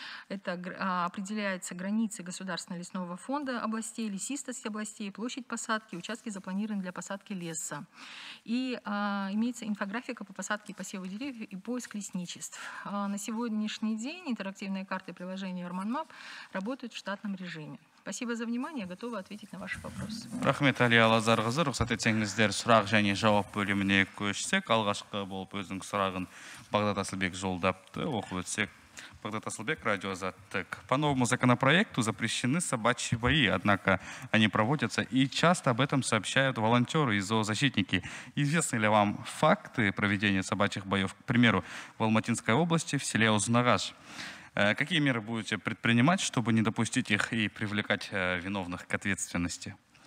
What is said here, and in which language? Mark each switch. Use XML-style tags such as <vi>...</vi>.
<ru>Это определяются границы государственного лесного фонда областей, лесистость областей, площадь посадки, участки запланированы для посадки леса. И имеется инфографика по посадке и посеву деревьев и поиск лесничеств. На сегодняшний день интерактивные карты приложения Urban Map работают в штатном режиме. Спасибо за внимание. Готова ответить на ваши вопросы.</ru> <kk>Рахмет, Алия Лазарқызы. Рұқсат етсеңіздер, сұрақ және жауап бөліміне көшсек. Алғашқы болып өзінің сұрағын Бағдат Асылбек жолдапты. Оқып өтсек. Бағдат Асылбек, радио Азаттык.</kk> <ru>По новому законопроекту запрещены собачьи бои, однако они проводятся, и часто об этом сообщают волонтеры и зоозащитники. Известны ли вам факты проведения собачьих боев, к примеру, в Алматинской области, в селе Узунагаш? Какие меры будете предпринимать, чтобы не допустить их и привлекать виновных к ответственности?</ru>